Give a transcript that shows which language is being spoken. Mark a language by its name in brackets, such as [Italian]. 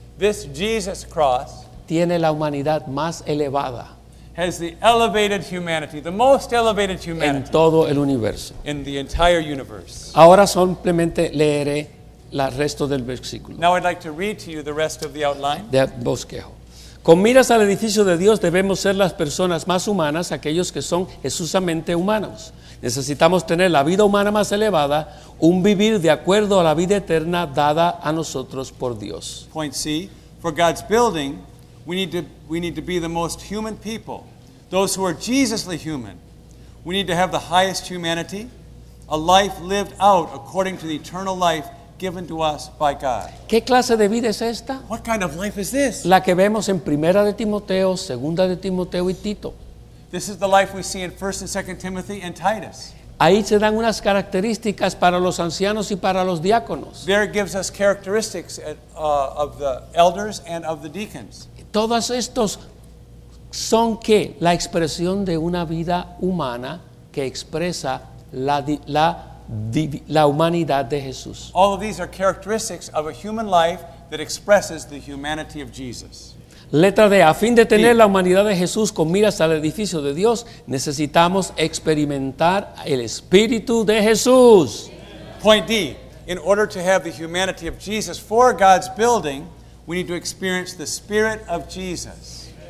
[English] This Jesus cross. [Spanish] Tiene la humanidad más elevada. [English] Has the elevated humanity, the most elevated humanity. [Spanish] En todo el universo. [English] In the entire universe. [Spanish] Ahora simplemente leeré la resto del versículo. [English] Now I'd like to read to you the rest of the outline. [Spanish] De bosquejo. Con miras al edificio de Dios debemos ser las personas más humanas, aquellos que son Jesúsamente humanos. Necesitamos tener la vida humana más elevada, un vivir de acuerdo a la vida eterna dada a nosotros por Dios. [English] Point C. For God's building, we need to be the most human people, those who are Jesusly human. We need to have the highest humanity, a life lived out according to the eternal life given to us by God. [Spanish] ¿Qué clase de vida es esta? [English] What kind of life is this? [Spanish] La que vemos en Primera de Timoteo, Segunda de Timoteo y Tito. [English] This is the life we see in 1 and 2 Timothy and Titus. [Spanish] Ahí se dan unas características para los ancianos y para los diáconos. [English] There gives us characteristics of the elders and of the deacons. [Spanish] Todos estos son que la expresión de una vida humana que expresa la humanidad de Jesús. [English] All of these are characteristics of a human life that expresses the humanity of Jesus. [Spanish] Letra D, a fin de tener la humanidad de Jesús con miras al edificio de Dios, necesitamos experimentar el Espíritu de Jesús. [English] Point D, in order to have the humanity of Jesus for God's building, we need to experience the Spirit of Jesus.